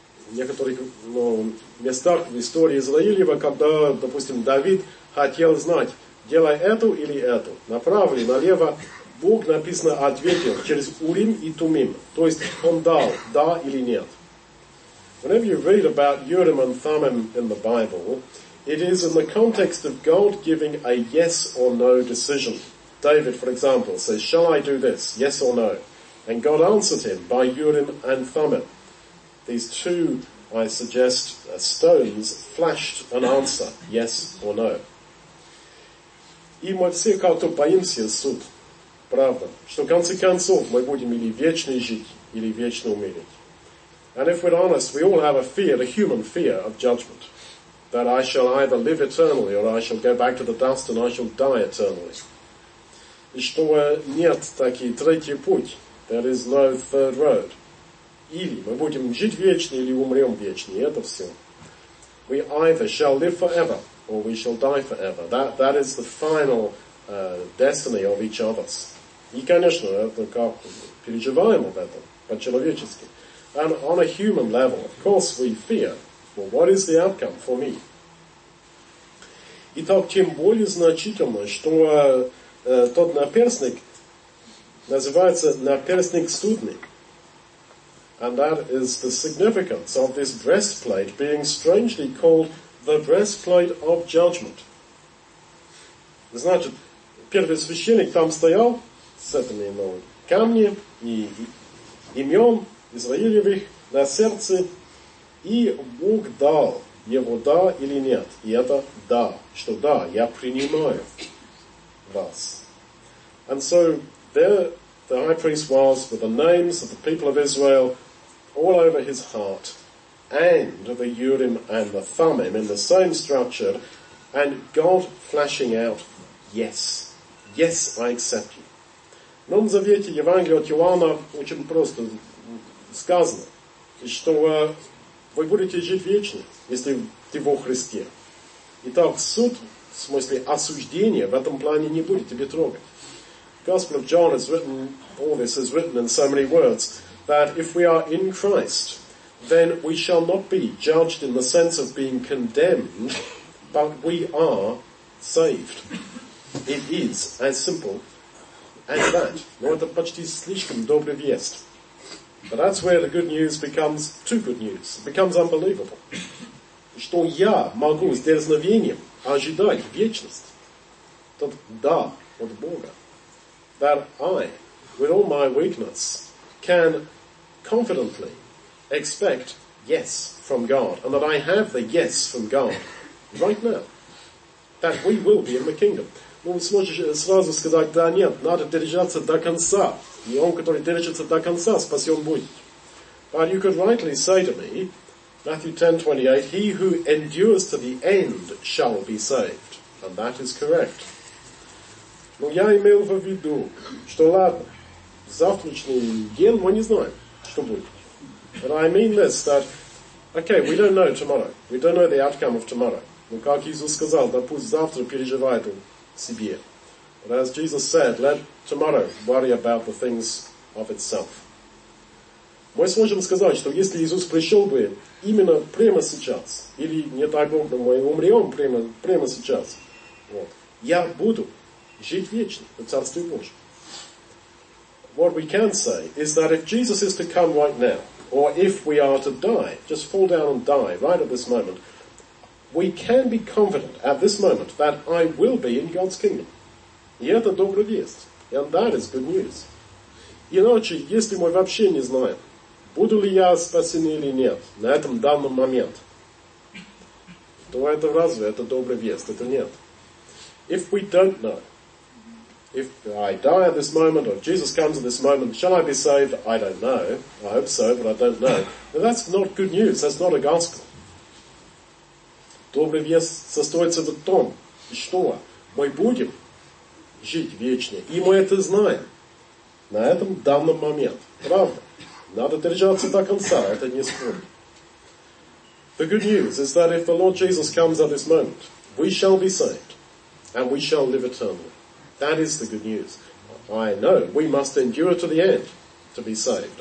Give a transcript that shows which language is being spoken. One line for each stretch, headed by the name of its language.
Russian: В некоторых местах в истории Израилева, когда, допустим, Давид хотел знать, делай эту или эту, направо или налево, Бог, написано, ответил через Урим и Тумим. То есть он дал, да или нет.
English: Whenever you read about Urim and Thummim in the Bible, it is in the context of God giving a yes or no decision. David, for example, says, shall I do this, yes or no? And God answered him by Urim and Thummim. These two, I suggest, stones flashed an answer, yes or no.
Russian: И мы все как-то боимся суд, правда, что в конце концов мы будем или вечно жить, или вечно умереть.
English: And if we're honest, we all have a fear, a human fear of judgment, that I shall either live eternally, or I shall go back to the dust and I shall die eternally.
Russian: И что нет таки третий путь,
English: there is no third road.
Russian: Или мы будем жить вечно, или умрем вечно, и это все.
English: We either shall live forever, or we shall die forever. That is the final destiny of each of us.
Russian: И, конечно, это как переживаем об этом, по-человечески.
English: And on a human level, of course, we fear, well, what is the outcome for me?
Russian: Итак, тем более значительно, что тот наперстник называется наперстник судный.
English: And that is the significance of this breastplate being strangely called the breastplate of judgment.
Russian: Значит, первый священник там стоял с этими камнями и имен Израилевых на сердце, и Бог дал его да или нет. И это да, что да, я принимаю вас.
English: And so there the high priest was with the names of the people of Israel all over his heart, and the Urim and the Thummim in the same structure, and God flashing out, yes, yes, I accept you.
Russian: В Новом Завете Евангелие от Иоанна очень просто сказано, что вы будете жить вечно, если ты во Христе. Итак, суд, в смысле осуждения, в этом плане не будет тебе трогать.
English: The Gospel of John is written, all this is written in so many words, that if we are in Christ, then we shall not be judged in the sense of being condemned, but we are saved. It is as simple as that.
Russian: Но это почти слишком добрая весть.
English: But that's where the good news becomes too good news. It becomes unbelievable.
Russian: Что я могу с дерзновением ожидать вечность? Тот да от Бога.
English: That I, with all my weakness, can confidently expect yes from God, and that I have the yes from God right now, that we will be in the kingdom.
Russian: Ну, вы сможете сразу сказать, да, нет, надо держаться до конца, и он, который держится до конца, спасен будет.
English: But you could rightly say to me, Matthew 10:28, he who endures to the end shall be saved, and that is correct.
Russian: Но я имел в виду, что ладно, завтрашний день мы не знаем, что будет.
English: But I mean this, that, okay, we don't know tomorrow. We don't know the outcome of tomorrow.
Russian: Но как Иисус сказал, да пусть завтра переживает он себе.
English: But as Jesus said, let tomorrow worry about the things of itself.
Russian: Мы сможем сказать, что если Иисус пришел бы именно прямо сейчас, или не так долго, мы умрем прямо сейчас, вот, я буду жить вечно в Царстве Божьем.
English: What we can say is that if Jesus is to come right now, or if we are to die, just fall down and die right at this moment, we can be confident at this moment that I will be in God's kingdom.
Russian: И это добрая весть.
English: And that is good news.
Russian: Иначе, если мы вообще не знаем, буду ли я спасен или нет на этом данном момент, то это разве это добрая весть? Это нет.
English: If we don't know, If I die at this moment, or if Jesus comes at this moment, shall I be saved? I don't know. I hope so, but I don't know. Now, that's not good news. That's not a gospel.
Russian: Добрый весть состоится в том, что мы будем жить вечнее. И мы это знаем. На этом данном момент. Правда. Надо держаться до конца. Это не спорно.
English: The good news is that if the Lord Jesus comes at this moment, we shall be saved. And we shall live eternally. That is the good news. I know we must endure to the end to be saved.